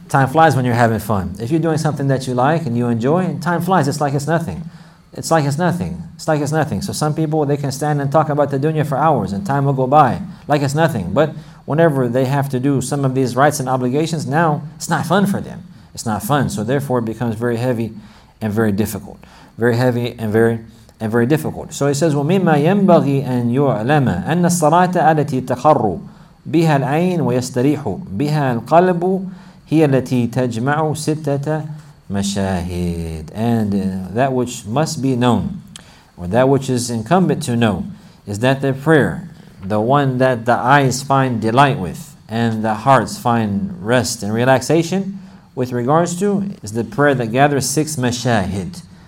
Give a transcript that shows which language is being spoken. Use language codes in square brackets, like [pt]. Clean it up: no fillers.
[en] Time flies when you're having fun. If you're doing something that you like and you enjoy, time flies, it's like it's nothing. It's like it's nothing. It's like it's nothing. So some people, they can stand and talk about the dunya for hours and time will go by like it's nothing. But whenever they have to do some of these rights and obligations, now it's not fun for them. It's not fun. So therefore it becomes very heavy and very difficult. Very heavy and very difficult. So he says, [ar] وَمِمَّا يَنْبَغِي أَنْ يُعْلَمَ أَنَّ الصَّلَاةَ أَلَتِي تَخَرُّ بِهَا الْعَيْنُ وَيَسْتَرِيحُ بِهَا الْقَلْبُ هِيَ الَّتِي تَجْمَعُ سِتَّةَ مَشَاهِدٍ. [en] And that which must be known, or that which is incumbent to know, is that the prayer, the one that the eyes find delight with, and the hearts find rest and relaxation with regards to, is the prayer that gathers six mashahid.